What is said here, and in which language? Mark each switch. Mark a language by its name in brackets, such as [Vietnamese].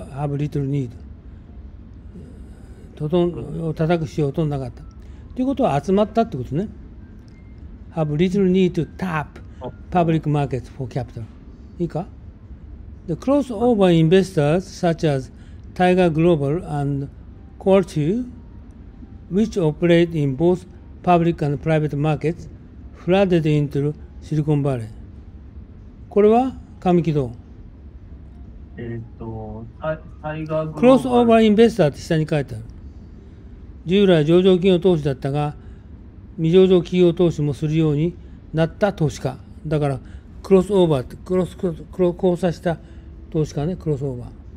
[English] ハブリトルニード、 [Japanese] 叩く必要はほとんどなかったということは、集まったってことね。 [English] ハブリトルニードタップパブリックマーケットフォーキャピタル、 [Japanese] いいか。 [English] The crossover investors such as Tiger Global and Qualtrics, which operate in bothPublic and private markets flooded into Silicon Valley。 [Japanese] これは神木戸、クロスオーバーインベスターって下に書いてある。従来上場企業投資だったが、未上場企業投資もするようになった投資家だから、クロスオーバーって、クロス交差した投資家ね、クロスオーバー、